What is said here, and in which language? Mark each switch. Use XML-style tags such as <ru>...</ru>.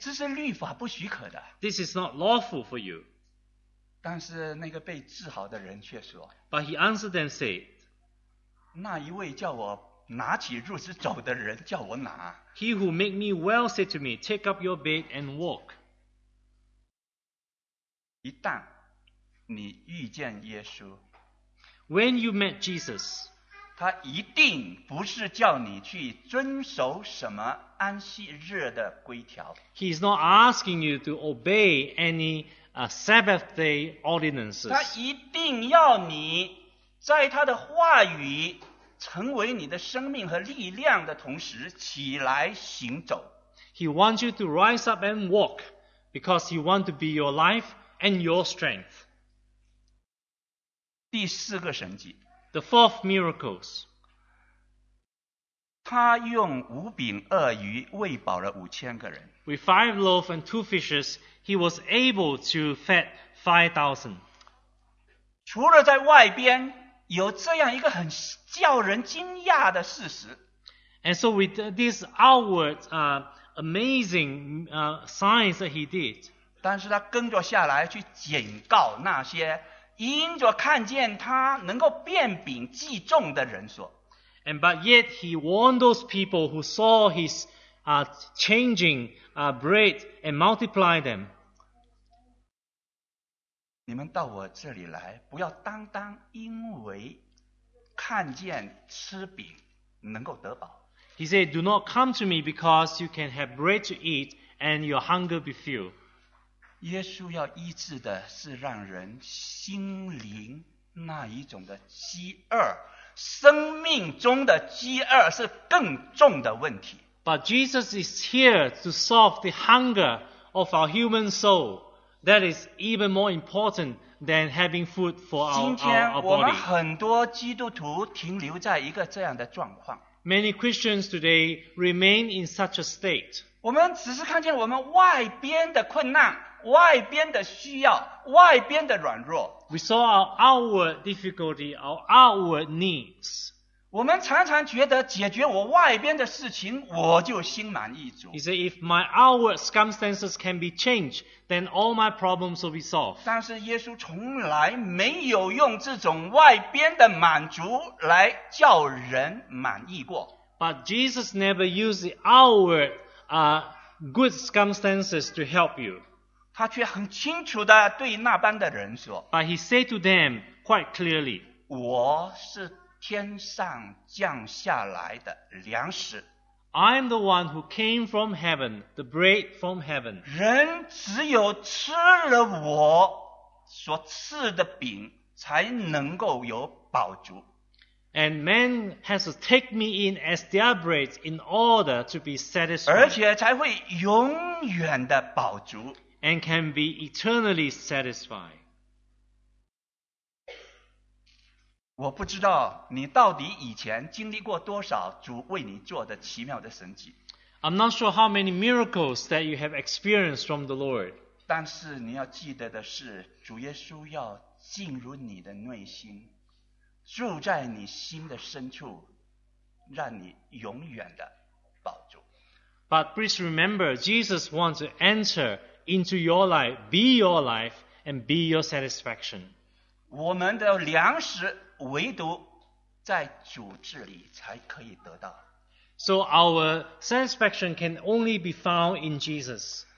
<zh>这是律法不许可的。</zh> <en>This is not lawful for you.</en> <zh>但是那个被治好的人却说，</zh> <en>But he answered and said,</en> <zh>那一位叫我拿起褥子走的人叫我拿。</zh> <en>He who made me well said to me, take up your bed and walk.</en> <zh>一旦你遇见耶稣，</zh> <en>When you met Jesus,</en> <zh>他一定不是叫你去遵守什么安息日的规条。</zh> <en>He is not asking you to obey any Sabbath day ordinances.</en> <zh>他一定要你在他的话语成为你的生命和力量的同时起来行走。</zh> <en>He wants you to rise up and walk because he wants to be your life and your strength.</en> <zh>第四个神迹。</zh> <en>The fourth miracles.</en> <zh>他用五饼二鱼喂饱了五千个人。</zh> <en>With five loaves and two fishes, he was able to feed 5,000.</en> <zh>除了在外边有这样一个很叫人惊讶的事实。</zh> <en>And so with this outward amazing signs that he did.</en> <zh>但是他跟着下来去警告那些因着看见他能够变饼济众的人说。</zh> <en>And but yet he warned those people who saw his changing bread and multiply them.</en> <zh>你们到我这里来不要单单因为看见吃饼能够得饱。</zh> <en>He said, do not come to me because you can have bread to eat and your hunger be filled.</en> <zh>耶稣要医治的是让人心灵那一种的饥饿，生命中的饥饿是更重的问题。</zh> <en>But Jesus is here to solve the hunger of our human soul. That is even more important than having food for our body.</en> <zh>今天我们很多基督徒停留在一个这样的状况。</zh> <en>Many Christians today remain in such a state.</en> <zh>我们只是看见我们外边的困难，外边的需要，外边的软弱。</zh> <en>We saw our outward difficulty, our outward needs.</en> <zh>我们常常觉得解决我外边的事情，我就心满意足。</zh> <en>He said, if my outward circumstances can be changed, then all my problems will be solved.</en> <zh>但是耶稣从来没有用这种外边的满足来叫人满意过。</zh> <en>But Jesus never used the outward, good circumstances to help you.</en> <zh>他却很清楚地对那般的人说</zh> <en>But he said to them quite clearly,</en> <zh>我是天上降下来的粮食。</zh> <en>I am the one who came from heaven, the bread from heaven.</en> <zh>人只有吃了我所赐的饼才能够有饱足。</zh> <en>And man has to take me in as their bread in order to be satisfied.</en> <zh>而且才会永远的饱足。</zh> <en>And can be eternally satisfied.</en> <zh>我不知道你到底以前经历过多少主为你做的奇妙的神迹。</zh> <en>I'm not sure how many miracles that you have experienced from the Lord.</en> <zh>但是你要记得的是，主耶稣要进入你的内心，住在你心的深处，让你永远的保住。</zh> <en>But please remember, Jesus wants to enter into your life, be your life, and be your satisfaction.</en> <zh>我们的粮食唯独在主这里才可以得到。</zh> <en>So our satisfaction can only be found in Jesus.</en>